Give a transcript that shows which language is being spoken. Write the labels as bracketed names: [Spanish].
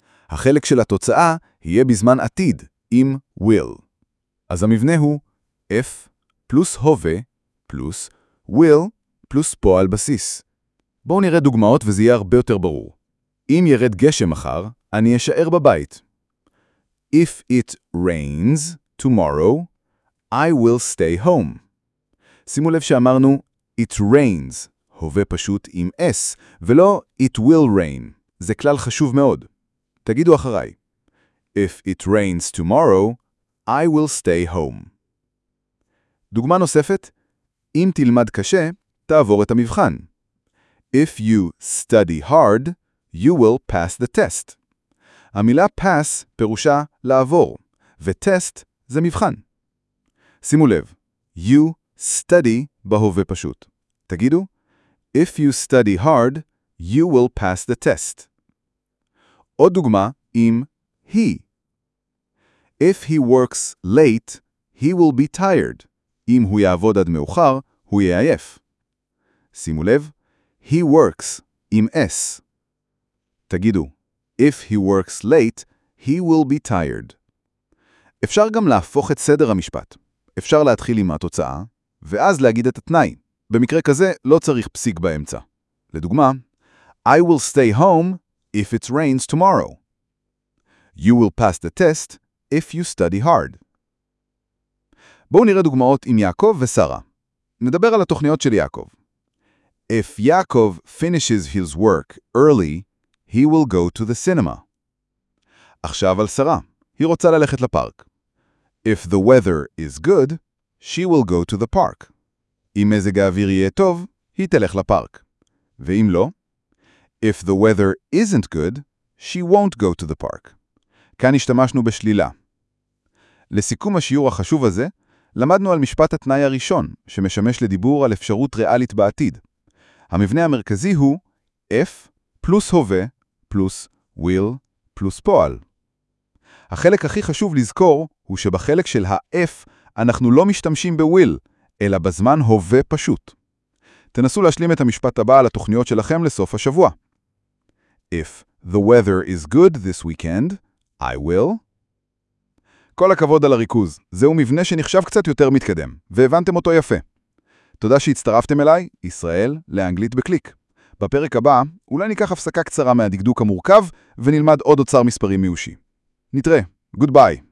[Hebrew] החלק של התוצאה יהיה בזמן עתיד, אם will. אז המבנה הוא F פלוס הווה פלוס will פלוס פועל בסיס. בואו נראה דוגמאות וזה יהיה הרבה יותר ברור. אם ירד גשם מחר, אני אשאר בבית. [English] If it rains tomorrow, I will stay home. [Hebrew] שימו לב שאמרנו [English] it rains, [Hebrew] הווה פשוט עם s, ולא [English] it will rain. [Hebrew] זה כלל חשוב מאוד. תגידו אחריי. [English] If it rains tomorrow, I will stay home. [Hebrew] דוגמה נוספת. אם תלמד קשה, תעבור את המבחן. [English] If you study hard, you will pass the test. [Hebrew] המילה pass פירושה לעבור, וטסט זה מבחן. שימו לב, [English] you study [Hebrew] בהווה פשוט. תגידו, [English] if you study hard, you will pass the test. [Hebrew] עוד דוגמה עם he. [English] If he works late, he will be tired. [Hebrew] אם הוא יעבוד עד מאוחר, הוא יהיה עייף. שימו לב, [English] he works [Hebrew] עם s. תגידו, [English] If he works late, he will be tired. [Hebrew] אפשר גם להפוך את סדר המשפט. אפשר להתחיל עם התוצאה, ואז להגיד את התנאי. במקרה כזה, לא צריך פסיק באמצע. לדוגמה, [English] I will stay home if it rains tomorrow. You will pass the test if you study hard. [Hebrew] בואו נראה דוגמאות עם יעקב ושרה. נדבר על התוכניות של יעקב. [English] If Yaakov finishes his work early, He will go to the cinema. [Hebrew] עכשיו על שרה. היא רוצה ללכת לפארק. [English] If the weather is good, she will go to the park. [Hebrew] אם מזג האוויר יהיה טוב, היא תלך לפארק. ואם לא? If the weather isn't good, she won't go to the park. כאן השתמשנו בשלילה. לסיכום השיעור החשוב הזה, למדנו על משפט התנאי הראשון, שמשמש לדיבור על אפשרות ריאלית בעתיד. המבנה המרכזי הוא F פלוס הווה, פלוס will, פלוס פועל. החלק הכי חשוב לזכור הוא שבחלק של ה-F אנחנו לא משתמשים ב-will, אלא בזמן הווה פשוט. תנסו להשלים את המשפט הבא על התוכניות שלכם לסוף השבוע. [English] If the weather is good this weekend, I will. [Hebrew] כל הכבוד על הריכוז. זהו מבנה שנחשב קצת יותר מתקדם, והבנתם אותו יפה. תודה שהצטרפתם אליי, ישראל, לאנגלית בקליק. בפרק הבא, אולי ניקח הפסקה קצרה מהדקדוק המורכב ונלמד עוד אוצר מספרים מיושי. נתראה. [English] גוד ביי.